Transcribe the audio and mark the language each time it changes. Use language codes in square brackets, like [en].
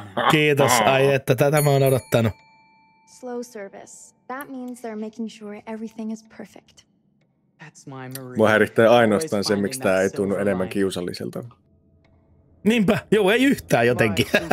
[fi] Kiitos, ai että tätä mä oon odottanut. [en] Slow service. That means they're making sure everything is perfect. [fi] Mua häirittää ainoastaan se, miksi tää ei tunnu enemmän kiusalliselta. Niinpä, joo, ei yhtään jotenkin.